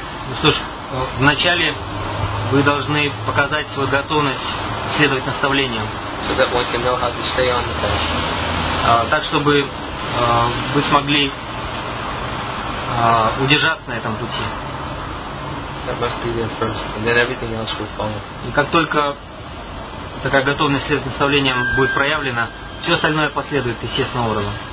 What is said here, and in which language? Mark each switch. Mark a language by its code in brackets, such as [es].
[ru] Ну что ж, вначале вы должны показать свою готовность следовать наставлениям. [en] So that one can know how to stay on the path. [ru] Так, чтобы вы смогли удержаться на этом пути. [en] That must be there first, and then everything else will follow. [ru] И как только такая готовность следовать наставлениям будет проявлена, все остальное последует естественным образом.